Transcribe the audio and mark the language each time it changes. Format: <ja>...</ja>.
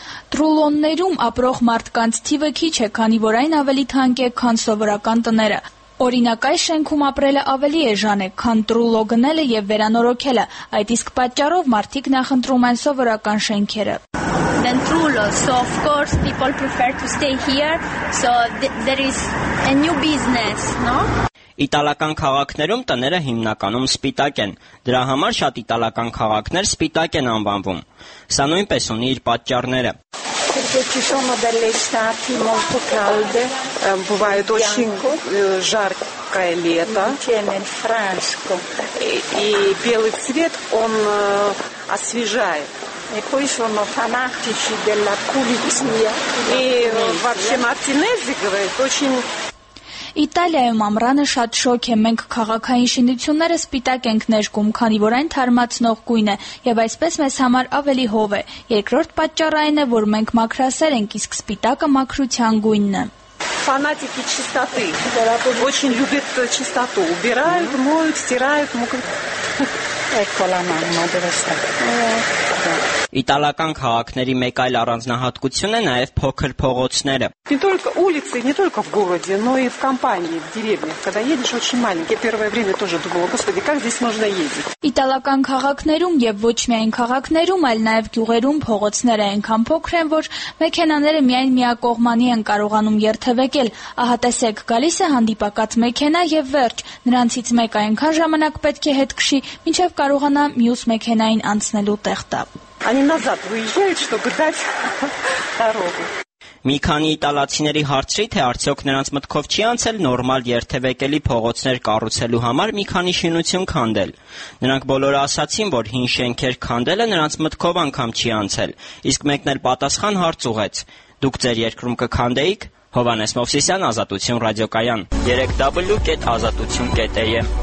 <hy>Տրուլոններում ապրող մարդկանց թիվը քիչ է, քանի որ այն ավելի թանկ է, քան սովորական տները։ Օրինակ այս շենքում ապրելը ավելի էժան է, քան Տրուլո գնելը եւ վերանորոգելը, այդ իսկ պատճառով մարդիկ նախընտրում են սովորական շենքերը։</hy> <en>Then Trullo, so of course people prefer to stay here, so there is a new business, no?</en> <hy>Իտալական քաղաքներում տները հիմնականում սպիտակ են, դրա համար շատ իտալական քաղաքներ սպիտակ են անվանվում։ Սա նույնպես ունի իր պատճառները։</hy> <it>Perché ci sono delle estati molto calde,</it> <ru>бывает очень жаркое лето. Темень франско. И белый цвет он освежает.</ru> <it>E poi sono fanatici della pulizia.</it> <ru>И вообще мартинезе говорят очень</ru> <hy>Իտալիայում ամռանը շատ շոգ է, մենք քաղաքային շինությունները սպիտակ ենք ներկում, քանի որ այն թարմացնող գույն է, եւ այսպես մեզ համար ավելի հով է։ Երկրորդ պատճառը այն է, որ մենք մաքրասեր ենք, իսկ սպիտակը մաքրության գույնն է։</hy> <ru>Фанатики чистоты. Очень любят чистоту. Убирают, моют, стирают,</ru> <it>Eccola mamma, dove sta?</it> <hy>Իտալական քաղաքների մեկ այլ առանձնահատկությունը նաև փոքր փողոցները։</hy> <ru>Не только улицы, не только в городе, но и в компании, в деревнях, когда едешь очень маленький. Я первое время тоже думала, господи, как здесь можно ездить.</ru> <hy>Իտալական քաղաքներում եւ ոչ միայն քաղաքներում, այլ նաև գյուղերում փողոցները այնքան փոքր են, որ մեքենաները միայն միակողմանի են կարողանում երթևեկել։ Ահա տեսեք, գալիս է հանդիպակաց մեքենա եւ վերջ։ Նրանցից մեկը այնքան ժամանակ պետք է հետ քշի, մինչեւ կարողանա մյուս մեքենային անցնելու տեղ տալ։</hy> <ru>Они назад выезжают, чтобы дать дорогу.</ru> <hy>Մի քանի իտալացիների հարցրի, թե արդյոք նրանց մտքով չի անցել նորմալ երթևեկելի փողոցներ կառուցելու համար մի քանի շինություն քանդել։ Նրանք բոլորը ասացին, որ հին շենքեր քանդելը նրանց մտքով անգամ չի անցել, իսկ մեկն էլ պատասխան հարց ուղեց. Դուք ձեր երկրում կքանդեիք։ Հովանես Մովսիսյան, Ազատություն ռադիոկայան 3w.azatutyun.am</hy>